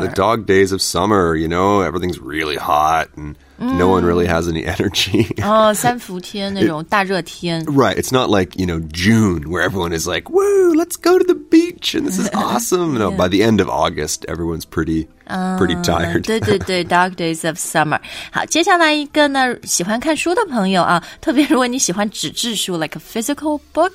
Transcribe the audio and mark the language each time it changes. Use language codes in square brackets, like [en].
[en] The dog days of summer, you know, everything's really hot and、mm. no one really has any energy. [zh] Oh, 三伏天那种大热天。 [en] Right, it's not like, you know, June where everyone is like, woo, let's go to the beach and this is awesome. No, by the end of August, everyone's pretty tired. [zh] 对对对 dog days of summer. 好接下来一个呢喜欢看书的朋友啊特别如果你喜欢纸质书 [en] like a physical book.、